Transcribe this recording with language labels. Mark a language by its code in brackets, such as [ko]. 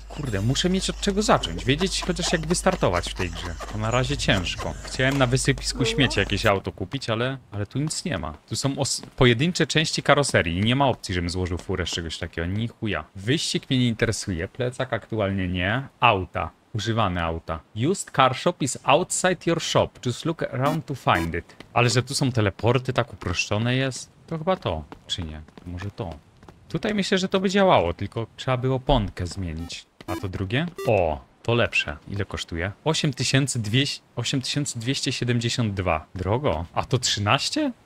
[pl] Kurde, muszę mieć od czego zacząć. Wiedzieć chociaż jak wystartować w tej grze. To na razie ciężko. Chciałem na wysypisku śmieci jakieś auto kupić, ale tu nic nie ma. Tu są pojedyncze części karoserii. Nie ma opcji, żebym złożył furę z czegoś takiego. Ni chuja. Wyścig mnie nie interesuje. Plecak aktualnie nie. Auta. Używane auta. [en] Used car shop is outside your shop. Just look around to find it. [pl] Ale że tu są teleporty, tak uproszczone jest. To chyba to. Czy nie? Może to. Tutaj myślę, że to by działało, tylko trzeba by oponkę zmienić. A to drugie? O, to lepsze. Ile kosztuje? 8272. Drogo. A to 13?